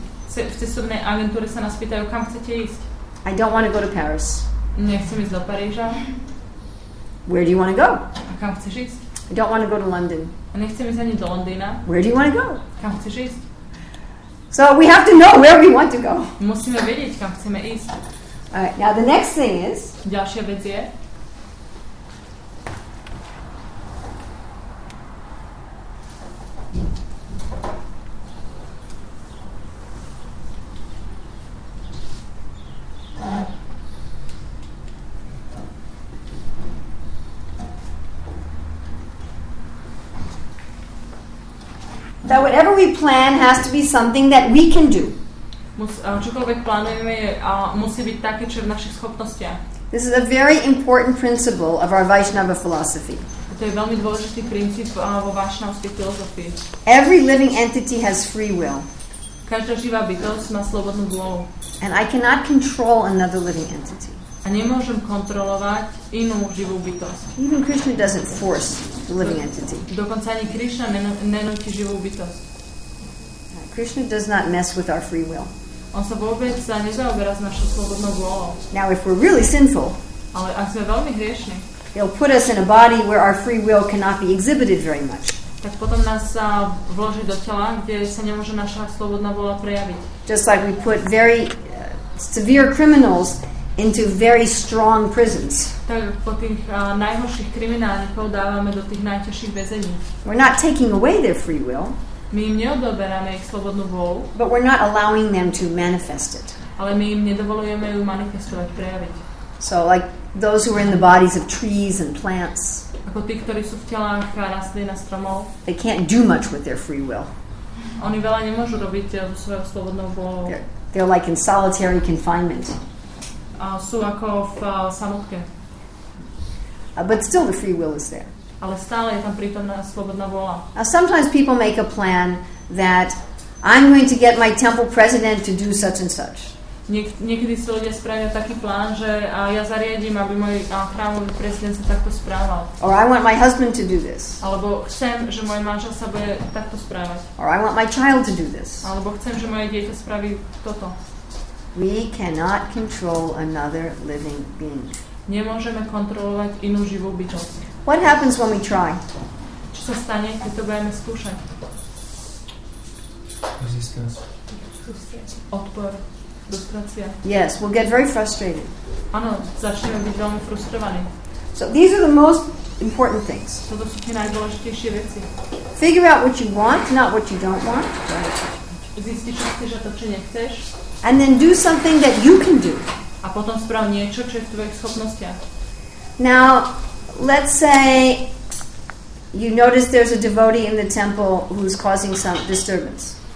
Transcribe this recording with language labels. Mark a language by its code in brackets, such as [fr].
[sk] V cestovnej agentúre sa nás pýtajú, kam chcete ísť? [en] I don't want to go to Paris. [sk] Nechcem ísť do Paríža. [en] Where do you want to go? [sk] A kam chceš ísť? [en] I don't want to go to London. [sk] A nechcem ísť ani do Londýna. [en] Where do you want to go? [sk] Kam chceš ísť? [en] So we have to know where we want to go. [sk] Musíme vedieť, kam chceme ísť. [en] Alright, now the next thing is. [sk] Ďalšia vec je. [en] That whatever we plan has to be something that we can do. [sk] Čokoľvek plánujeme, musí byť také, čo je v našich schopnostiach. [en] This is a very important principle of our Vaishnava philosophy. [sk] To je veľmi dôležitý princíp vo vaishnavskej filozofii. [en] Every living entity has free will. [sk] každá živá bytosť má slobodnú vôľu. [en] And I cannot control another living entity. [sk] A nemôžem kontrolovať inú živú bytosť. [en] Even Krishna doesn't force the living entity. [sk] Dokonca ani Krishna nenúti živú bytosť. [en] Krishna does not mess with our free will. [sk] On sa vôbec nezaoberá s našou slobodnou vôľou. [en] Now if we're really sinful, [sk] ale ak sme veľmi hriešni, [en] he'll put us in a body where our free will cannot be exhibited very much. [sk] Tak potom nás sa vloží do tela, kde sa nemôže naša slobodná vôľa prejaviť. [en] Just like we put very severe criminals into very strong prisons. [sk] Tak po tých najhorších kriminálnikov dávame do tých najťažších väzení. [en] We're not taking away their free will. [sk] My im neodoberáme ich slobodnú vôľu. [en] But we're not allowing them to manifest it. [sk] Ale my im nedovolujeme ju manifestovať, prejaviť. [en] So like those who are in the bodies of trees and plants. [sk] Ako tí, ktorí sú v telách rastlín a stromov. [en] They can't do much with their free will. [sk] Oni veľa nemôžu robiť so svojou slobodnou vôľou. [en] They're like in solitary confinement. [sk] A sú ako v samotke. [en] But still the free will is there. [sk] Ale stále je tam prítomná slobodná vôľa. [en] Sometimes people make a plan that I'm going to get my temple president to do such and such. [sk] Niekedy si ľudia spravia taký plán, že ja zariadím, aby môj chrámový prezident sa takto správal. [en] Or I want my husband to do this. [sk] Alebo chcem, že môj manžel sa bude takto správať. [en] Or I want my child to do this. [sk] Alebo chcem, že moje dieťa spraví toto. [en] We cannot control another living being. [sk] Nemôžeme kontrolovať inú živú bytosť. [en] What happens when we try? [sk] Čo sa stane, keď to budeme skúšať? [en] Resistance. [sk] Odpor. [en] Yes, we'll get very frustrated. [sk] Ano, začneme byť veľmi frustrovaní. [en] So these are the most important things. [sk] Toto sú tie najdôležitejšie veci. [en] Figure out what you want, not what you don't want. [sk] Zistiť, čo chceš a to, čo nechceš. [en] And then do something that you can do. [sk] A potom sprav niečo, čo je v tvojich schopnostiach. [en] Now, let's say you notice there's a devotee in the temple who's causing some disturbance.